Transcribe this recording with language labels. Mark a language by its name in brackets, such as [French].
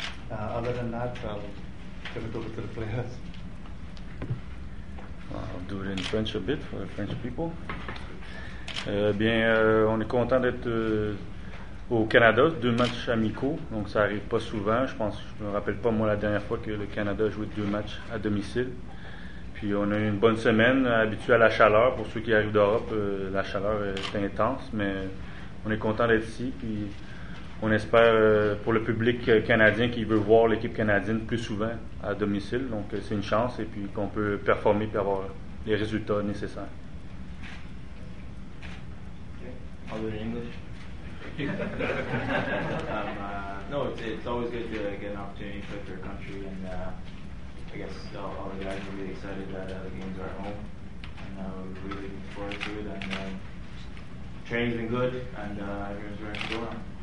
[English] Other than that, I'll give it over to the players. I'll do it in French a bit for the French people. [French] On est content d'être au Canada, deux matchs amicaux, donc ça arrive pas souvent. Je me rappelle pas la dernière fois que le Canada a joué deux matchs à domicile. Puis on a eu une bonne semaine, habitué à la chaleur. Pour ceux qui arrivent d'Europe, la chaleur est intense, mais on est content d'être ici. Puis on espère pour le public canadien qui veut voir l'équipe canadienne plus souvent à domicile. Donc c'est une chance et puis qu'on peut performer et avoir les résultats nécessaires. [English] Okay. I'll do it in English. it's always good to get an opportunity to play for your country, and I guess all the guys are really excited that the games are at home, and we're really looking forward to it. And training's been good, and everyone's ready to go on.